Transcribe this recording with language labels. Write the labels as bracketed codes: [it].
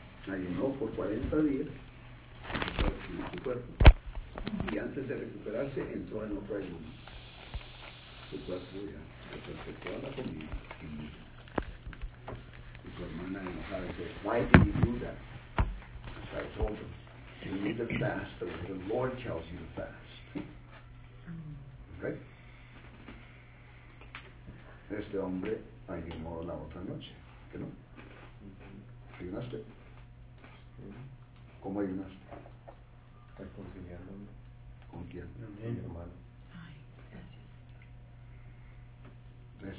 [es] Ayunó por 40 días. Su cuerpo, y antes de recuperarse entró en otro ayuno. Su cuerpo ya se perfectó a la comida y murió. Y su hermana enojada dice, [en] why did you do that? I told her, you need to fast the way the Lord tells you to fast. Okay. [es] Este hombre ayunó la otra noche, ¿qué no? ¿Ayunaste? ¿Cómo ayunaste? Reconciliándome. ¿Con quién? Con mi hermano. Ay, gracias.